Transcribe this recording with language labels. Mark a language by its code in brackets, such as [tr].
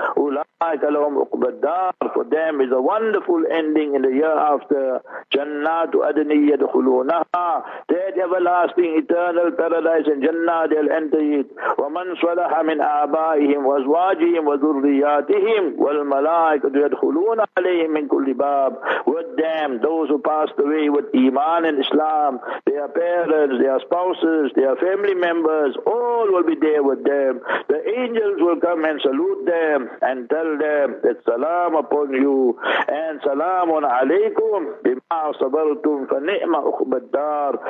[ar] أُولَٰئِكَ لَهُمْ عُقْبَى الدَّارِ. [en] For them is a wonderful ending in the year after. [ar] جَنَّاتُ أَدْنٍ يَدْخُلُونَهَا. [en] That everlasting eternal paradise and Jannah, they'll enter it. [ar] وَمَنْ صَلَحَ مِنْ آبَائِهِمْ وَأَزْوَاجِهِمْ وَذُرِّيَّاتِهِمْ والملائكة يدخلون عليهم من كل باب. [en] With them, those who passed away with Iman and Islam, their parents, their spouses, their family members, all will be there with them. The angels will come and salute them and tell them that salam upon you and [ar] salamun alaykum bima sabartum fa ni'ma ukhba ad-dar.